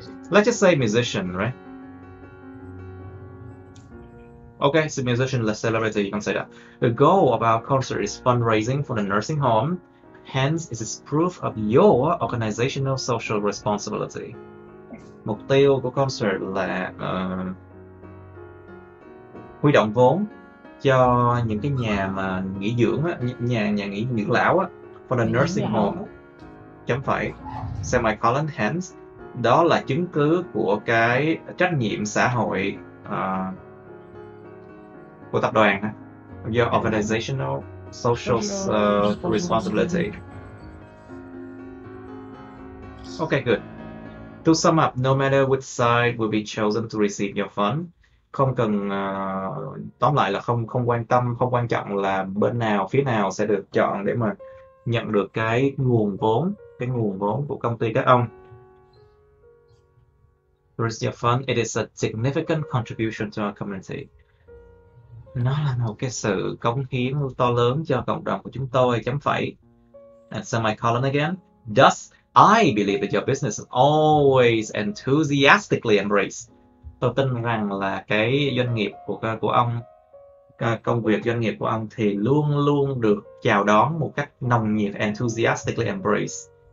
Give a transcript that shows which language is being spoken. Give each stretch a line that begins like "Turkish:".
English: Let's just say musician, right? Okay, so musician, the celebrity, you can say that. The goal of our concert is fundraising for the nursing home. Hence, it is proof of your organizational social responsibility.
Vietnamese: Mục tiêu của concert là huy động vốn cho những cái nhà mà nghỉ dưỡng á, nhà nghỉ dưỡng lão á,
English: for the nursing home.
Vietnamese: Chấm phẩy.
English: Semicolon, hence,
Vietnamese: đó là chứng cứ của cái trách nhiệm xã hội của tập đoàn,
English: your organizational social responsibility. Okay, good. To sum up, no matter which side will be chosen to receive your fund,
Vietnamese: không cần tóm lại là không không quan tâm, không quan trọng là bên nào, phía nào sẽ được chọn để mà nhận được cái nguồn vốn của công ty các ông.
English: Receive your fund, it is a significant contribution to our community.
Vietnamese: Nó là một cái sự cống hiến to lớn cho cộng đồng của chúng tôi, chấm phẩy.
English: And semicolon again. Thus, I believe that your business is always enthusiastically embraced.
Vietnamese: Tôi tin rằng là cái doanh nghiệp của ông, công việc doanh nghiệp của ông thì luôn luôn được chào đón một cách nồng nhiệt,
English: enthusiastically embraced.